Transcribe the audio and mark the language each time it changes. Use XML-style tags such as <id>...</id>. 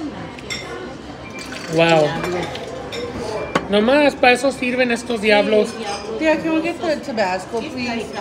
<en>no, I would never do that. Wow.</en> <es>Nomás, para eso sirven estos diablos.</es> <en>Yeah, can we get the Tabasco, please?</en>